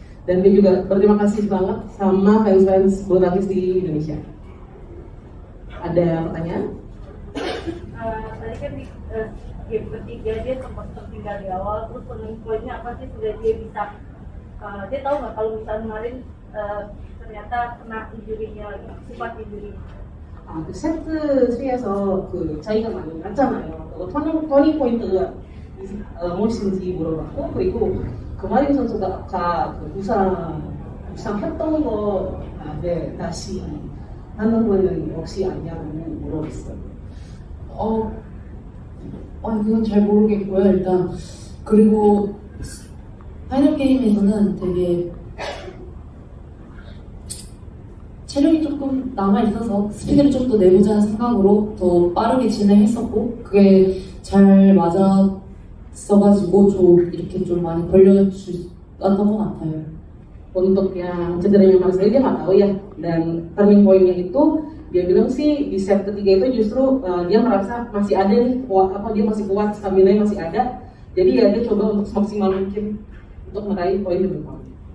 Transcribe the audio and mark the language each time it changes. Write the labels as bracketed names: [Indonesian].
[Indonesian] Dan dia juga berterima kasih banget sama fans-fans Bulu Tangkis di Indonesia. Ada pertanyaan? Tadi kan di game ketiga dia sempat tertinggal di awal, terus penentuannya apa sih sudah dia bisa? Dia tahu nggak kalau misalnya kemarin ternyata kena injurinya lagi, sifat injurinya? [Korean] 아, 그 세트 3에서 그 차이가 많이 났잖아요. 그리고 터닝 포인트가 무엇인지 물어봤고, 그리고 금하림 선수가 아까 그 부상했던 거, 네, 다시 하는 거는 역시 아니냐고 물어봤어요. 그건 잘 모르겠고요, 일단. 그리고 파이널 게임에서는 되게 체력이 조금 남아있어서 스피드를 좀 더 내보자는 생각으로 더 빠르게 진행했었고 그게 잘 맞았어가지고 좀 이렇게 좀 많이 걸려주었던 것 같아요. [Indonesian] Untuk yang cederanya Mas Rey dia gak tau ya. Dan turning point-nya itu dia bilang sih di set ketiga itu justru dia merasa masih ada kuat apa dia masih kuat, stamina masih ada. Jadi ya dia coba untuk semaksimal mungkin untuk meraih poin lebih banyak.